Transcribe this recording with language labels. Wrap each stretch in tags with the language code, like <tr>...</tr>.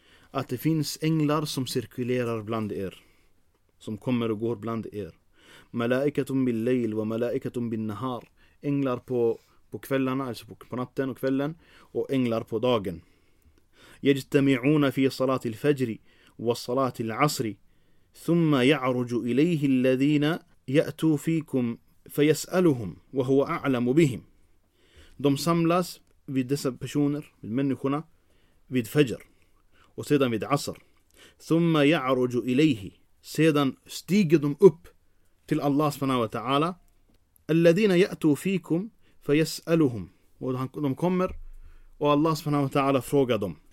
<sv>Att det finns änglar som cirkulerar bland er, som kommer och går bland er.</sv> <ar>Malaikatum bil layl wa malaikatum bin nahar.</ar> <sv>Änglar på kvällarna, alltså på natten och kvällen, och änglar på dagen.</sv> <ar>Yajtami'una fi salatil fajri wa salatil asri. ثم يعرج إليه الذين يأتوا فيكم فيسألهم وهو أعلم بهم.</ar> <sv>De samlas vid dessa personer, vid människorna, vid fajr och sedan vid asr.</sv> <ar>ثم يعرج إليه,</ar> <sv>sedan stiger de upp till Allah subhanahu wa ta'ala.</sv> <ar>الذين يأتوا فيكم فيسألهم,</ar> <sv>och de kommer och Allah subhanahu wa ta'ala frågar dem.</sv>